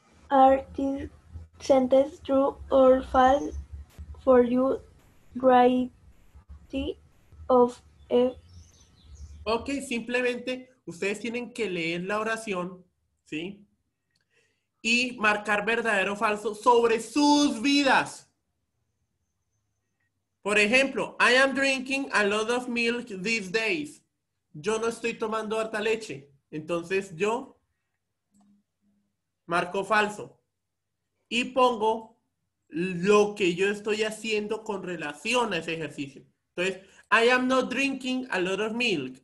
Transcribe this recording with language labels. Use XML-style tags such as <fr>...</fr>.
<en>Are these sentences true or false for you, variety of F?</en> <es>Ok, simplemente ustedes tienen que leer la oración, ¿sí? Y marcar verdadero o falso sobre sus vidas. Por ejemplo,</es> <en>I am drinking a lot of milk these days.</en> <es>Yo no estoy tomando harta leche. Entonces yo marco falso. Y pongo lo que yo estoy haciendo con relación a ese ejercicio. Entonces,</es> <en>I am not drinking a lot of milk.</en>